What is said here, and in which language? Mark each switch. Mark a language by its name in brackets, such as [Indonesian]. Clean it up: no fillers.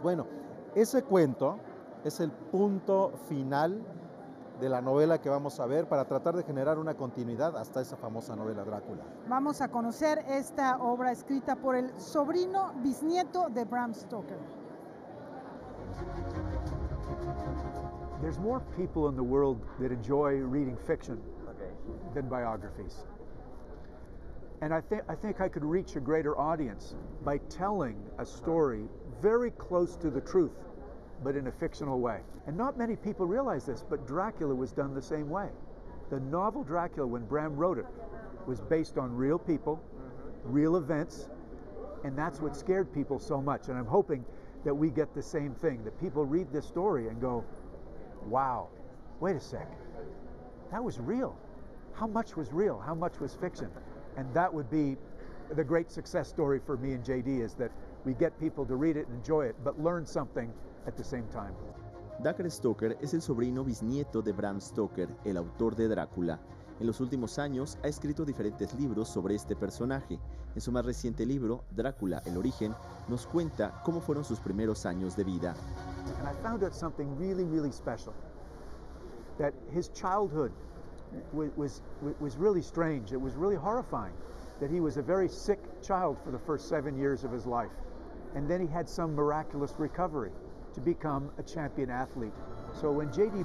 [Spanish] Bueno, ese cuento es el punto final de la novela que vamos a ver para tratar de generar una continuidad hasta esa famosa novela Drácula. Vamos a conocer esta obra escrita por el sobrino bisnieto de Bram Stoker. [English] There's more people in the world that enjoy reading fiction than biographies. And I think I could reach a greater audience by telling a story very close to the truth, but in a fictional way. And not many people realize this, but Dracula was done the same way. The novel Dracula, when Bram wrote it, was based on real people, real events, and that's what scared people so much. And I'm hoping that we get the same thing, that people read this story and go, wow, wait a sec, that was real. How much was real? How much was fiction? And that would be the great success story for me and JD, is that we get people to read it and enjoy it, but learn something at the same time. [Spanish] Dacre Stoker es el sobrino bisnieto de Bram Stoker, el autor de Drácula. En los últimos años ha escrito diferentes libros sobre este personaje. En su más reciente libro, Drácula, el origen, nos cuenta cómo fueron sus primeros años de vida. [English] And I found out something really, really special. That his childhood was really strange. It was really horrifying. That he was a very sick child for the first 7 years of his life. And then he had some miraculous recovery to become a champion athlete. So when J.D.